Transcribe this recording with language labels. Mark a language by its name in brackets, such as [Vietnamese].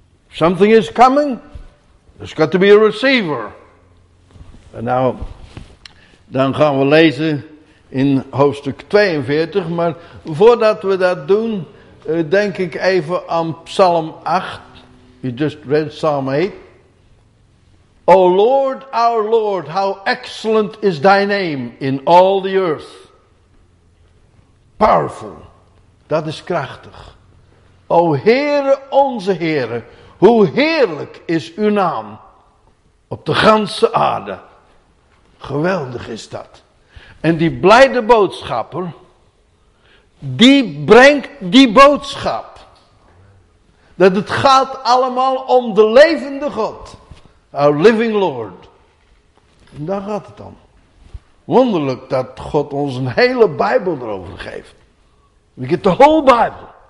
[English] Something is coming, there's got to be a receiver. [Dutch] En nou, dan gaan we lezen in hoofdstuk 42, maar voordat we dat doen, denk ik even aan Psalm 8. [English] You just read Psalm 8. O Lord, our Lord, how excellent is thy name in all the earth. Powerful. [Dutch] Dat is krachtig. O Heere, onze Heere, hoe heerlijk is uw naam op de ganse aarde. Geweldig is dat. En die blijde boodschapper, die brengt die boodschap. Dat het gaat allemaal om de levende God. [English] Our living Lord. [Dutch] En daar gaat het om. Wonderlijk dat God ons een hele Bijbel erover geeft. [English] We get the whole Bible.